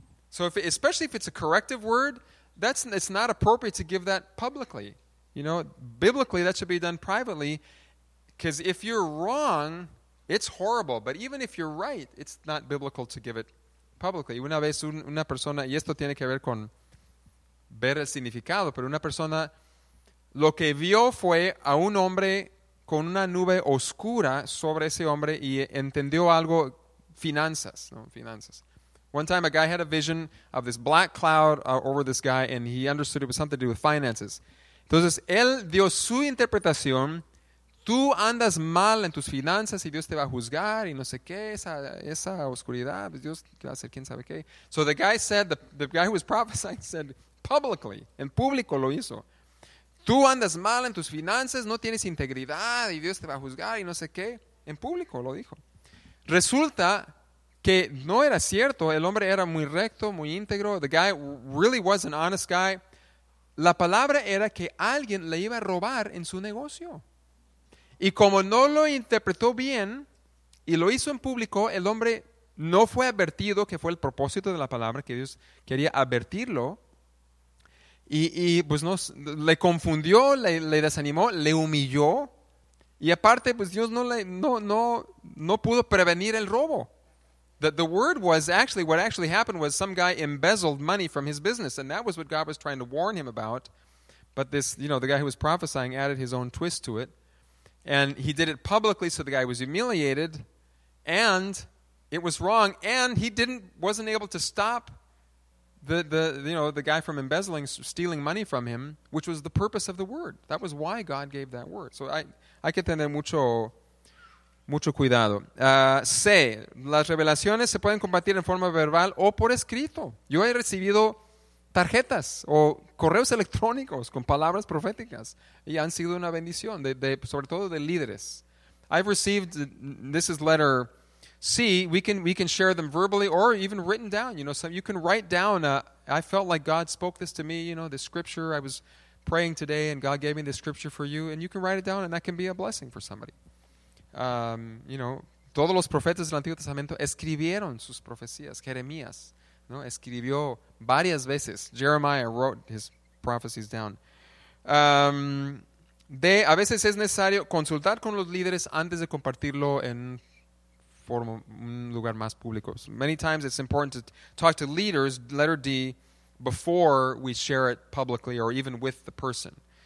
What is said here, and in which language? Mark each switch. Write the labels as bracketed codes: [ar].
[en] So especially if it's a corrective word, it's not appropriate to give that publicly. You know, biblically, that should be done privately. Because if you're wrong, it's horrible. But even if you're right, it's not biblical to give it publicly. [es] Una vez una persona, y esto tiene que ver con ver el significado, pero una persona lo que vio fue a un hombre con una nube oscura sobre ese hombre y entendió algo, finanzas, ¿no? Finanzas. [en] One time a guy had a vision of this black cloud over this guy and he understood it was something to do with finances. [es] Entonces, él dio su interpretación, tú andas mal en tus finanzas y Dios te va a juzgar y no sé qué, esa oscuridad, Dios te va a hacer quién sabe qué. [en] So the guy said, the guy who was prophesying said publicly, [es] en público lo hizo. Tú andas mal en tus finanzas, no tienes integridad y Dios te va a juzgar y no sé qué, en público lo dijo. Resulta que no era cierto, el hombre era muy recto, muy íntegro, [en] the guy really was an honest guy. [es] La palabra era que alguien le iba a robar en su negocio. Y como no lo interpretó bien y lo hizo en público, el hombre no fue advertido, que fue el propósito de la palabra, que Dios quería advertirlo. Y pues no, le confundió, le desanimó, le humilló. Y aparte, pues Dios no pudo prevenir el robo. [en] The word was actually, what actually happened was some guy embezzled money from his business. And that was what God was trying to warn him about. But this, you know, the guy who was prophesying added his own twist to it. And he did it publicly, so the guy was humiliated, and it was wrong, and he wasn't able to stop the guy from embezzling, stealing money from him, which was the purpose of the word. That was why God gave that word. [es] So hay que tener mucho, mucho cuidado. Las revelaciones se pueden compartir en forma verbal o por escrito. Yo he recibido tarjetas o correos electrónicos con palabras proféticas y han sido una bendición, sobre todo de líderes. [en] I've received, this is letter C, we can share them verbally or even written down. You know, so you can write down, I felt like God spoke this to me, you know, the scripture, I was praying today and God gave me this scripture for you, and you can write it down and that can be a blessing for somebody. You know, [es] todos los profetas del Antiguo Testamento escribieron sus profecías, Jeremías. No, escribió varias veces. [en] Jeremiah wrote his prophecies down. [es] A veces es necesario consultar con los líderes antes de compartirlo en un lugar más público. [en] So many times it's important to talk to leaders, letter D, before we share it publicly or even with the person.